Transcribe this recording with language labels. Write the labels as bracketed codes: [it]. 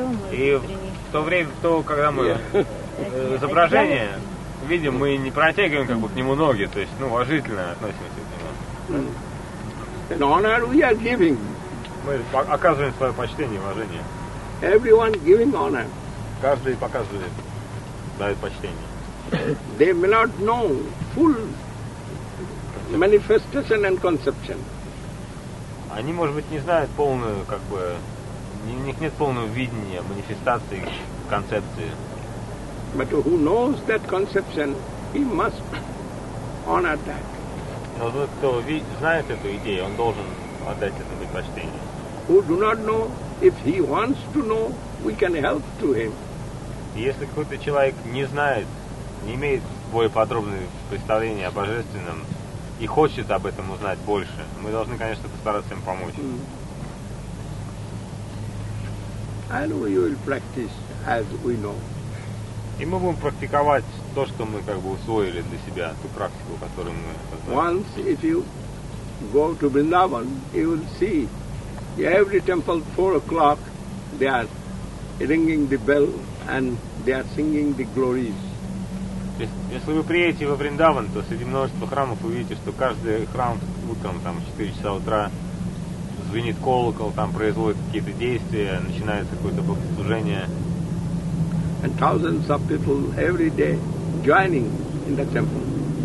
[ru] и в то время, в то, когда мы изображение видим, мы не протягиваем как бы к нему ноги, то есть уважительно относимся к нему. [en] An honor we are giving. [ru] Мы оказываем свое почтение, уважение. [en] Everyone giving honor. [ru] Каждый показывает, дает почтение. [en] They may not know full manifestation and conception. [ru] Они, может быть, не знают полную как бы. У них нет полного видения, манифестации, концепции. [en] But who knows that conception, he must honor that. [ru] Но тот, кто знает эту идею, он должен отдать это предпочтение. [en] Who do not know, if he wants to know, we can help to him. [ru] Если какой-то человек не знает, не имеет более подробного представления о Божественном и хочет об этом узнать больше, мы должны, конечно, постараться им помочь. [en] And we will practice as we know. [ru] И мы будем практиковать то, что мы как бы усвоили для себя, ту практику, которую мы познали. [en] Once if you go to Vrindavan, you will see every temple 4 o'clock they are ringing the bell and they are singing the glories. [ru] Если вы приедете во Вриндаван, то среди множества храмов вы увидите, что каждый храм утром там 4 часа утра. Звенит колокол, там производят какие-то действия, начинается какое-то богослужение. [en] And thousands of people every day joining in the temple.